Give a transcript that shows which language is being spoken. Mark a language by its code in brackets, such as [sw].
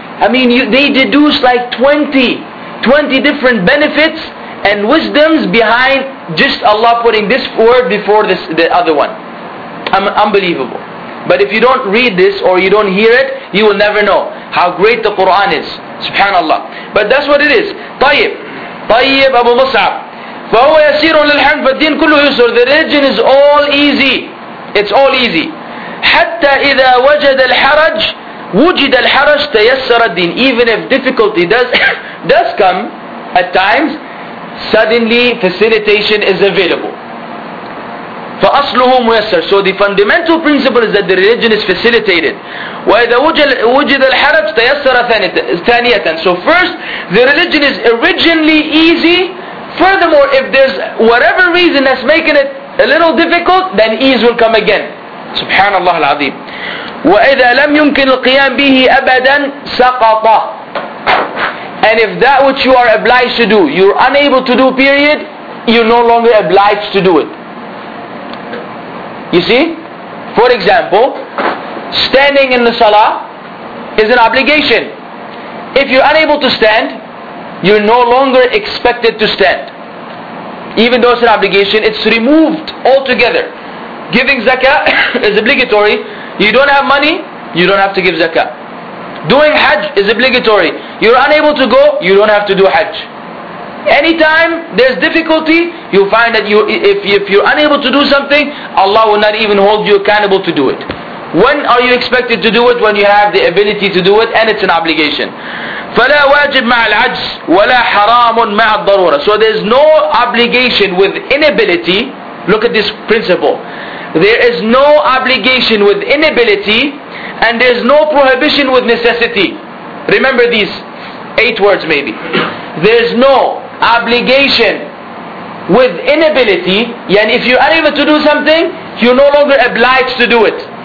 [en] I mean, they deduce like 20 different benefits and wisdoms behind just Allah putting this word before this, the other one. Unbelievable. But if you don't read this or you don't hear it, you will never know how great the Quran is. Subhanallah. But that's what it is. طيب أبو مصعب. [ar] فهو يسير للحمد فالدين كله يسر. [en] The religion is all easy. It's all easy. [ar] حتى إذا وجد الحرج وجد الحرج تيسر الدين. [en] Even if difficulty does come at times, suddenly facilitation is available. [ar] فأصله ميسر. [en] So the fundamental principle is that the religion is facilitated. [ar] وإذا وجد الحرج تيسر ثانية. [en] So first, the religion is originally easy. Furthermore, if there's whatever reason that's making it a little difficult, then ease will come again. Subhanallah العظيم. [ar] وإذا لم يمكن القيام به أبدا سقط. [en] And if that which you are obliged to do, you're unable to do, period, you're no longer obliged to do it. You see, for example, standing in the salah is an obligation. If you're unable to stand, you're no longer expected to stand. Even though it's an obligation, it's removed altogether. Giving zakah is obligatory. You don't have money, you don't have to give zakah. Doing hajj is obligatory. You're unable to go, you don't have to do hajj. Anytime there's difficulty, you find that if you're unable to do something, Allah will not even hold you accountable to do it. When are you expected to do it? When you have the ability to do it, and it's an obligation. [ar] فلا واجب مع العجز ولا حرام مع الضرورة. [en] So there's no obligation with inability. Look at this principle. There is no obligation with inability, and there's no prohibition with necessity. Remember these 8 words maybe. There's no obligation with inability, and if you're unable to do something, you're no longer obliged to do it.